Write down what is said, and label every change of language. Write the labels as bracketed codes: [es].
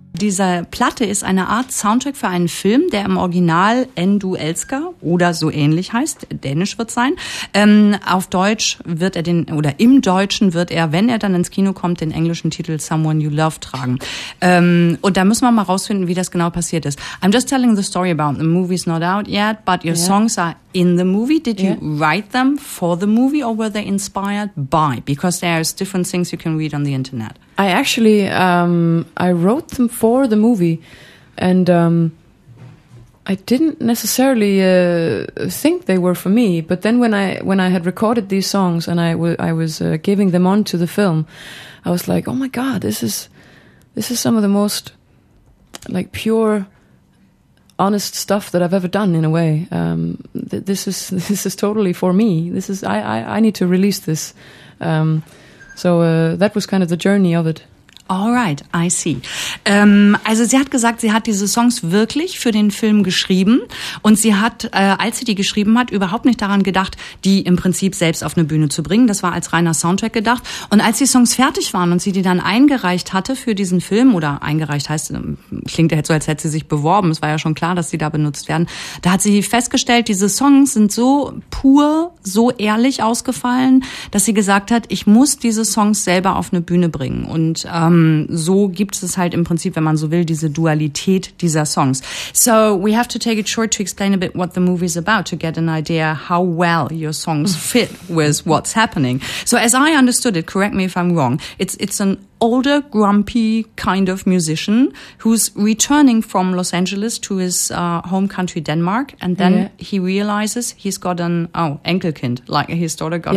[de] Diese Platte ist eine Art Soundtrack für einen Film, der im Original En du elsker oder so ähnlich heißt. Dänisch wird sein. Auf Deutsch wird er den, oder im Deutschen wird er, wenn er dann ins Kino kommt, den englischen Titel Someone You Love tragen. Und da müssen wir mal rausfinden, wie das genau passiert ist. [en] I'm just telling the story about the movie's not out yet, but your songs are in the movie. Did you write them for the movie or were they inspired by? Because there's different things you can read on the internet. I actually I wrote them for the movie, and I didn't necessarily think they were for me. But then when I had recorded these songs and I was giving them on to the film, I was like, oh my god, this is some of the most like pure, honest stuff that I've ever done in a way. This is totally for me. I need to release this. So that was kind of the journey of it. All right, I see. [de] Also sie hat gesagt, sie hat diese Songs wirklich für den Film geschrieben und sie hat, als sie die geschrieben hat, überhaupt nicht daran gedacht, die im Prinzip selbst auf eine Bühne zu bringen. Das war als reiner Soundtrack gedacht. Und als die Songs fertig waren und sie die dann eingereicht hatte für diesen Film, oder eingereicht heißt, klingt ja so, als hätte sie sich beworben, es war ja schon klar, dass sie da benutzt werden, da hat sie festgestellt, diese Songs sind so pur, so ehrlich ausgefallen, dass sie gesagt hat, ich muss diese Songs selber auf eine Bühne bringen. Und so gibt es halt im Prinzip, wenn man so will, diese Dualität dieser Songs. [en] So we have to take it short to explain a bit what the movie is about to get an idea how well your songs fit with what's happening. So as I understood it, correct me if I'm wrong, it's an older, grumpy kind of musician who's returning from Los Angeles to his home country, Denmark, and then he realizes he's got an Enkelkind, like his daughter got